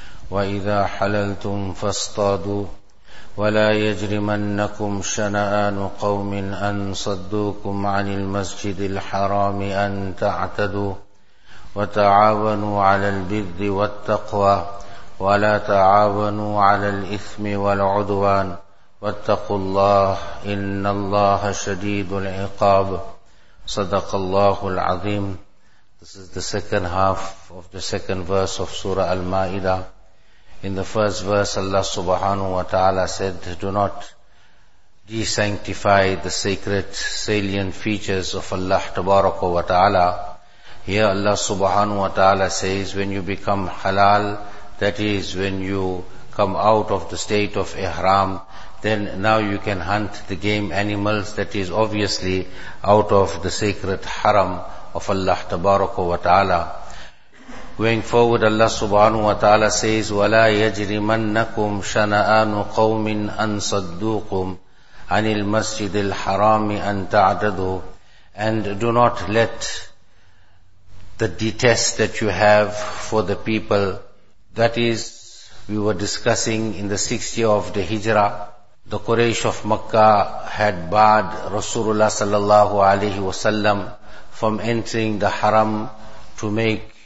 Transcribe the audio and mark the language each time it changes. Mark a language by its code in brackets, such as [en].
[ar] وإذا حللتم فاصطادوا ولا يجرمنكم شنآن قوم أن صدوكم عن المسجد الحرام أن تعتدوا وتعاونوا على البر والتقوى ولا تعاونوا على الإثم والعدوان واتقوا الله إن الله شديد العقاب. [en] Sadaqallahul Azim. This is the second half of the second verse of Surah Al-Ma'idah. In the first verse, Allah subhanahu wa ta'ala said, do not de-sanctify the sacred salient features of Allah tabaraka wa ta'ala. Here Allah subhanahu wa ta'ala says, when you become halal, that is when you come out of the state of ihram, then now you can hunt the game animals, that is obviously out of the sacred haram of Allah tabaraka wa ta'ala. Going forward, Allah subhanahu wa ta'ala says, [ar] وَلَا يَجْرِمَنَّكُمْ شَنَآنُ قَوْمٍ أَنْ صَدُّوكُمْ عَنِ الْمَسْجِدِ الْحَرَامِ أَنْ تَعْدَدُوا. [en] And do not let the detest that you have for the people, that is, we were discussing in the 6th year of the Hijrah, the Quraysh of Makkah had barred Rasulullah sallallahu alayhi wa sallam from entering the haram to make